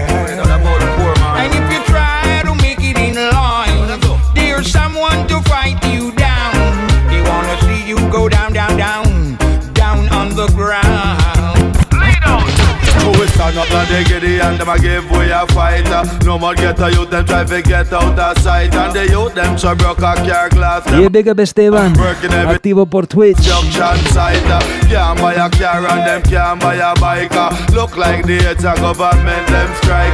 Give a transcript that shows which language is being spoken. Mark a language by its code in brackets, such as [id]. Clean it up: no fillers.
[en] And if you try to make it in line, there's someone to fight you down. They wanna see you go down, down, down, down on the ground. We stand up and they get it and them a give way a fight. No more get a youth, them try to get out of sight. And the youth, them so broke a car glass. [es] Y el Big Up Esteban, activo por Twitch. [en] Junction site, can't buy a car and them can't buy a bike. Look like the heads of government, them strike.